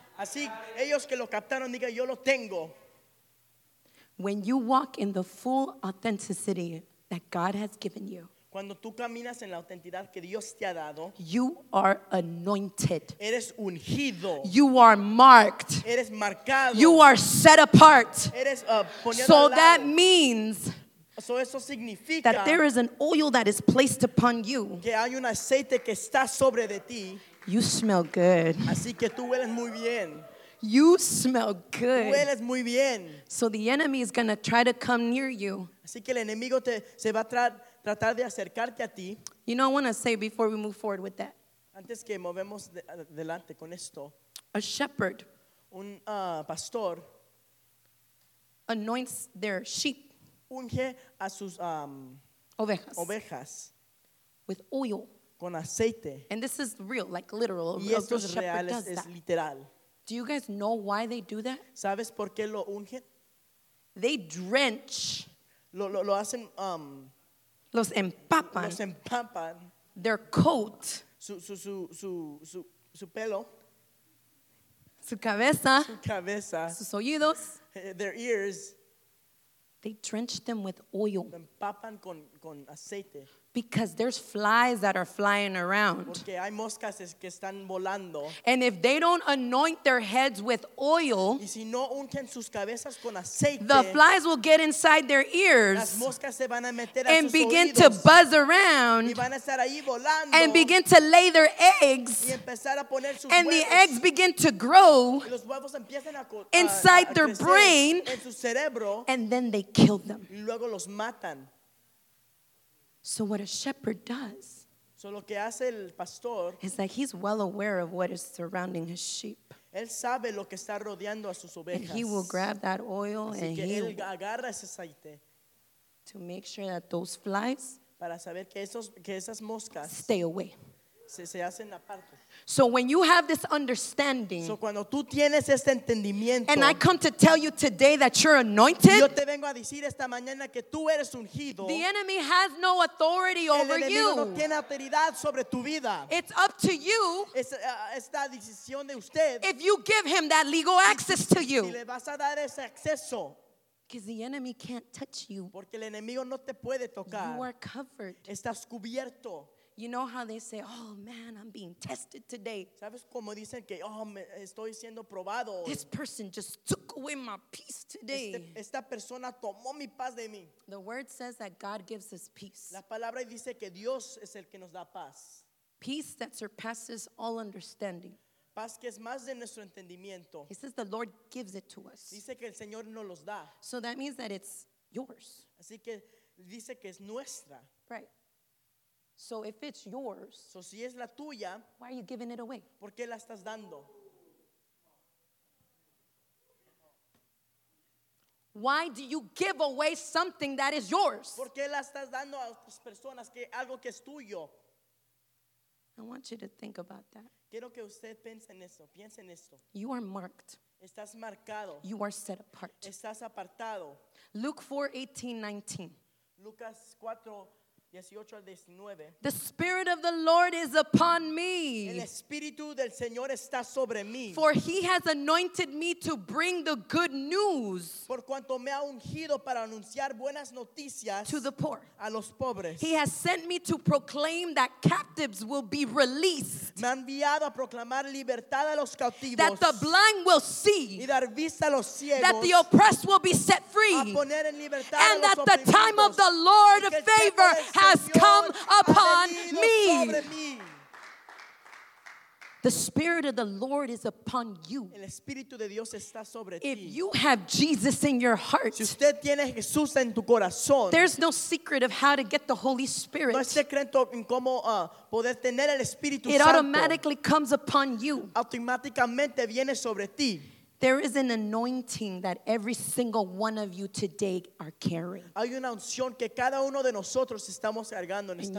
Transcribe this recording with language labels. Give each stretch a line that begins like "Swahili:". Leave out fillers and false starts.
Spanish: Así, ellos que lo captaron, diga, yo lo tengo.
English: When you walk in the full authenticity that God has given you,
Spanish: cuando tú caminas en la autenticidad que Dios te ha dado,
English: you are anointed.
Spanish: Eres ungido.
English: You are marked.
Spanish: Eres marcado.
English: You are set apart.
Spanish: Eres,
English: so that means
Spanish: so eso significa
English: that there is an oil that is placed upon you.
Spanish: Que hay un aceite que está sobre de ti.
English: You smell good.
Spanish: Así que tú hueles muy bien.
English: You smell good.
Spanish: Hueles muy bien.
English: So the enemy is going to try to come near you.
Spanish: Así que el enemigo se va a tratar de acercarte a ti.
English: You know, I want to say before we move forward with that.
Spanish: Antes que movemos adelante con esto.
English: A shepherd.
Spanish: Un pastor.
English: Anoints their sheep.
Spanish: Unge a sus ovejas.
English: With oil. And this is real, like literal.
Spanish: Y esto es real, es literal.
English: Do you guys know why they do that?
Spanish: ¿Sabes por qué lo ungen?
English: They drench.
Spanish: Lo hacen, los empapan. Los empapan.
English: Their coat.
Spanish: Su pelo. Su cabeza. Su cabeza. Sus oídos.
English: Their ears. They drench them with oil.
Spanish: Lo empapan con aceite.
English: Because there's flies that are flying around.
Spanish: Porque hay moscas que están volando.
English: And if they don't anoint their heads with oil,
Spanish: y si no unten sus cabezas con aceite,
English: the flies will get inside their ears
Spanish: las moscas se van a meter
English: and
Spanish: a sus
English: begin
Spanish: oídos,
English: to buzz around
Spanish: y van a estar ahí volando,
English: and begin to lay their eggs
Spanish: y empezar a poner sus
English: and
Spanish: huevos,
English: the eggs begin to grow
Spanish: y los huevos empiezan
English: inside
Spanish: a
English: their
Spanish: crecer
English: brain
Spanish: en su cerebro,
English: and then they kill them.
Spanish: Y luego los matan.
English: So what a shepherd does
Spanish: so lo que hace el pastor
English: is that he's well aware of what is surrounding his sheep.
Spanish: Él sabe lo que está rodeando a sus ovejas.
English: And he will grab that oil
Spanish: así
English: and
Spanish: que
English: he
Spanish: él agarra ese aceite
English: to make sure that those flies
Spanish: para saber que esos, que esas moscas
English: stay away.
Spanish: Se hacen aparte.
English: So when you have this understanding,
Spanish: so cuando tú tienes este entendimiento,
English: and I come to tell you today that you're anointed,
Spanish: yo te vengo a decir esta mañana que tú eres ungido,
English: the enemy has no authority
Spanish: el
English: over you.
Spanish: No tiene autoridad sobre tu vida.
English: It's up to you
Spanish: esta decisión de usted
English: if you give him that legal access to you.
Spanish: Si le vas a dar ese acceso.
English: Because the enemy can't touch you.
Spanish: Porque el enemigo no te puede tocar.
English: You are covered.
Spanish: Estás cubierto.
English: You know how they say, "Oh man, I'm being tested today."
Spanish: ¿Sabes cómo dicen que, "Oh, me estoy siendo probado"?
English: This person just took away my peace today.
Spanish: Esta persona tomó mi paz de mí.
English: The word says that God gives us peace.
Spanish: La palabra dice que Dios es el que nos da paz.
English: Peace that surpasses all understanding.
Spanish: Paz que es más de nuestro entendimiento.
English: He says the Lord gives it to us.
Spanish: Dice que el Señor nos los da.
English: So that means that it's yours.
Spanish: Así que dice que es nuestra.
English: Right. So if it's yours,
Spanish: so si es la tuya,
English: why are you giving it away?
Spanish: ¿Por qué la estás dando?
English: Why do you give away something that is yours?
Spanish: ¿Por qué la estás dando a otras personas que algo que es tuyo?
English: I want you to think about that.
Spanish: Quiero que usted piense en esto. Piense en esto.
English: You are marked.
Spanish: Estás marcado.
English: You are set apart.
Spanish: Estás apartado.
English: Luke 4:18-19.
Spanish: Lucas 4
English: The Spirit of the Lord is upon me.
Spanish: El Espíritu del Señor está sobre mí.
English: For he has anointed me to bring the good news.
Spanish: Por cuanto me ha ungido para anunciar buenas noticias
English: to the poor.
Spanish: A los pobres.
English: He has sent me to proclaim that captives will be released.
Spanish: Me ha enviado a proclamar libertad a los cautivos.
English: That the blind will see.
Spanish: Y dar vista a los ciegos.
English: That the oppressed will be set free.
Spanish: A poner en libertad
English: and
Spanish: a los
English: that the time of the Lord of favor has come upon me. The Spirit of the Lord is upon you.
Spanish: El Espíritu de Dios está sobre
English: if you have Jesus in your heart,
Spanish: si usted tiene Jesús en tu corazón,
English: there's no secret of how to get the Holy Spirit.
Spanish: No es secreto en cómo, poder tener el Espíritu
English: it
Spanish: Santo.
English: Automatically comes upon you.
Spanish: Automáticamente viene sobre ti.
English: There is an anointing that every single one of you today are carrying.
Spanish: Hay una unción que cada uno de nosotros estamos cargando en esta mañana.